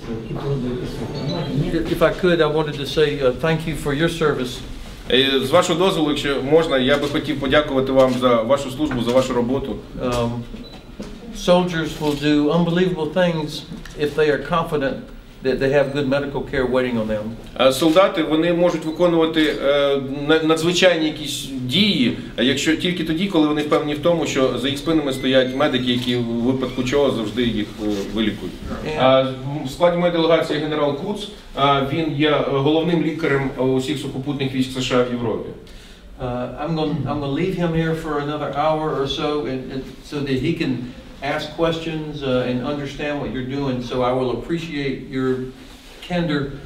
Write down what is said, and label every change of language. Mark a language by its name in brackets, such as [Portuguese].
[English] If I could, I wanted to say thank you for your service. [Ukrainian] З вашого дозволу, якщо можна, я би хотів подякувати вам за вашу службу, за вашу роботу. [English] Soldiers will do unbelievable things if they are confident that they have good medical care waiting on them. [Ukrainian] Солдати, вони можуть виконувати надзвичайні якісь дії, якщо тільки тоді, коли вони впевнені в тому, що за їх спинами стоять медики, які в випадку чого завжди їх вилікують. В складі моєї делегації генерал Куц, він є головним лікарем усіх сухопутних військ США в Європі. [English] I'm going to leave him here for another hour or so so that he can ask questions and understand what you're doing, so I will appreciate your candor